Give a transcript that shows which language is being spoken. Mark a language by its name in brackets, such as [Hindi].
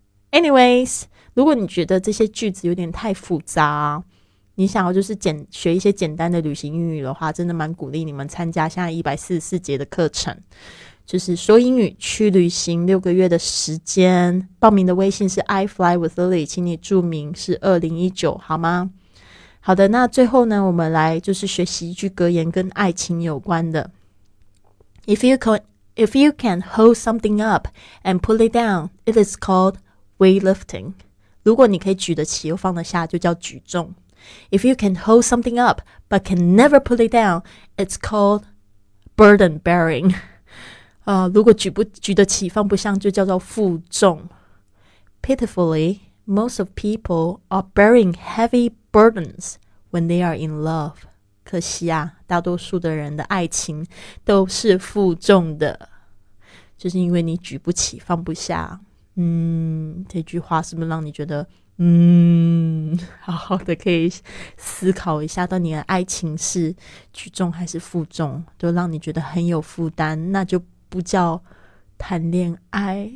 [Chinese] Anyways， 如果你觉得这些句子有点太复杂，你想要就是学一些简单的旅行英语的话，真的蛮鼓励你们参加现在144节的课程，就是说英语去旅行六个月的时间。报名的微信是 I fly with Lily， 请你注明是2019好吗？好的，那最后呢，我们来就是学习一句格言跟爱情有关的。 [English] If you can hold something up and pull it down, it is called weightlifting. [Chinese] 如果你可以举得起又放得下，就叫举重。 [English] If you can hold something up but can never pull it down, it's called burden bearing. [Chinese] 如果举得起放不下，就叫做负重。 [English] Pitifully, most of people are bearing heavy burdens when they are in love. [Chinese] 可惜啊，大多数的人的爱情都是负重的，就是因为你举不起放不下。这句话是不是让你觉得好好的可以思考一下，到你的爱情是举重还是负重，都让你觉得很有负担，那就不叫谈恋爱。